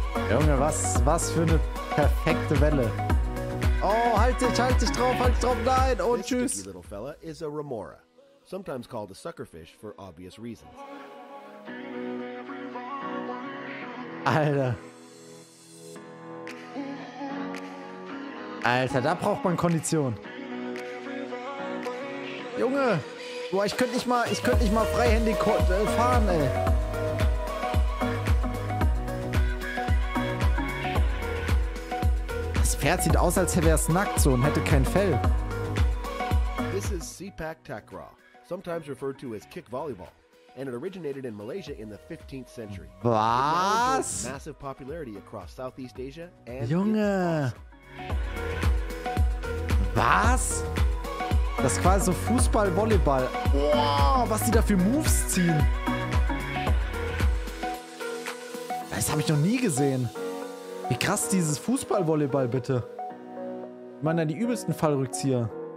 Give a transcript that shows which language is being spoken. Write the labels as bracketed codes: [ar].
[de] Junge, was für eine perfekte Welle. Oh, halt dich drauf, nein, und [en] this [de] tschüss. [en] This sticky little fella is a remora, sometimes called a suckerfish for obvious reasons. [de] Alter, da braucht man Kondition. Junge, boah, ich könnte nicht mal freihändig fahren, ey. Pferd sieht aus, als wäre es nackt so und hätte kein Fell. [en] This is Sepak Takraw, sometimes referred to as kick volleyball, and it originated in Malaysia in the 15th century. [de] Was? [en] It massive popularity across Southeast Asia and [de] Junge. Was? Das ist quasi so Fußball Volleyball. Wow, was die da für Moves ziehen. Das habe ich noch nie gesehen. Wie krass dieses Fußball-Volleyball, bitte. Ich meine, die übelsten Fallrückzieher.